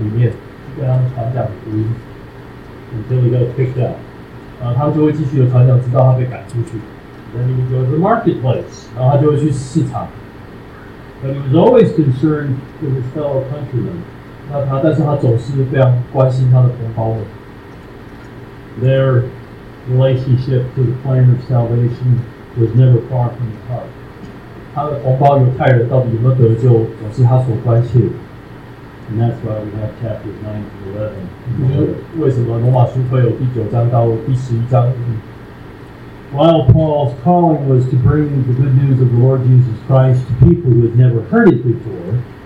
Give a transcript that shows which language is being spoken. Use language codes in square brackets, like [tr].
[zh] 因为我们读保罗生平，不管是使徒行传或是他的书信，通常保罗传福音都是在犹太人的群体当中，在一个会堂里面去跟他们传讲福音。 [en] Until he got picked up. [zh] 他们就会继续的传讲，直到他被赶出去。 [en] Then he would go to the marketplace. [zh] 然后他就会去市场。 [en] But he was always concerned with his fellow countrymen. [zh] 但是他总是非常关心他的同胞们。 [en] Their relationship to the plan of salvation was never far from his heart. [zh] 他的同胞犹太人到底有没有得救，总是他所关切的。 [en] And that's why we have chapters 9 to 11. [zh] 为什么罗马书会有第9章到第11章。 [en] While Paul's calling was to bring the good news of the Lord Jesus Christ to people who had never heard it before,